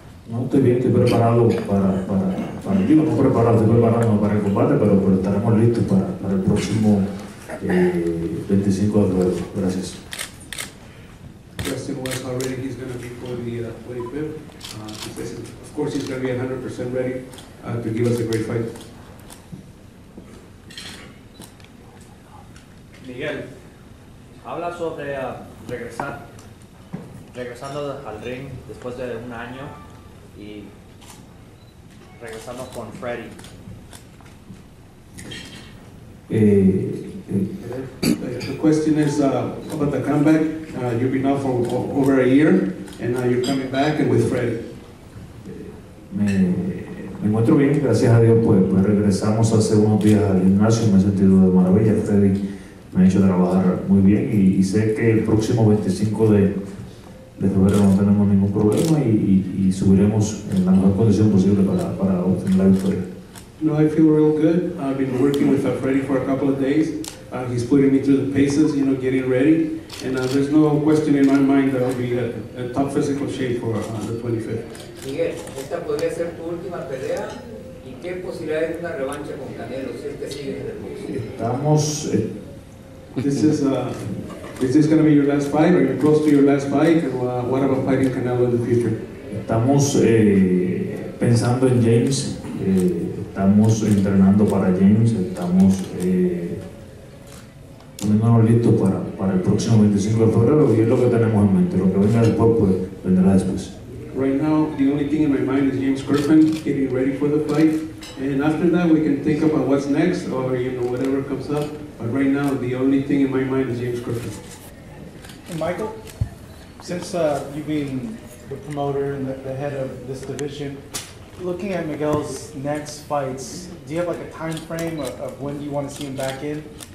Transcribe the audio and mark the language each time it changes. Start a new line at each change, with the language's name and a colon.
Spanish: No, estoy bien, estoy preparado para el equipo, no preparado, estoy preparado para el combate, pero estaremos listos para el próximo 25 de febrero. Gracias.
English: Justin was already, he's going to be for the 25th. Of course, he's going to be 100% ready to give us a great fight.
Spanish: Miguel, habla sobre regresar, regresando al ring después de un año y regresando con Freddy.
English: The question is about the comeback. You've been out for over a year, and now you're coming back and with Freddy.
Spanish: Me encuentro bien, gracias a Dios, pues regresamos hace unos días al gimnasio, me he sentido de maravilla, Freddy. Me ha hecho trabajar muy bien y sé que el próximo 25 de febrero no tenemos ningún problema y subiremos en la mejor condición posible para obtener la victoria.
English: No, I feel real good. I've been working with Freddy for a couple of days. He's putting me through the paces, you know, getting ready. And there's no question in my mind that I'll be at top physical shape for the 25th.
Spanish: Miguel, ¿esta podría ser tu última pelea? ¿Y qué posibilidad es una revancha con Canelo si es que sigue en el boxeo? Estamos...
English: Is this going to be your last fight, or are you close to your last fight, and what about fighting Canelo in the future?
Spanish: Estamos pensando en James, estamos entrenando para James, estamos poniéndonos listos para el próximo 25 de febrero, y es lo que tenemos en mente, lo que venga después, pues, vendrá después.
English: Right now, the only thing in my mind is James Kirkman getting ready for the fight, and after that we can think about what's next, or, you know, whatever comes up. But right now, the only thing in my mind is James Griffin. Hey, Michael, since you've been the promoter and the head of this division, looking at Miguel's next fights, do you have like a time frame of when do you want to see him back in?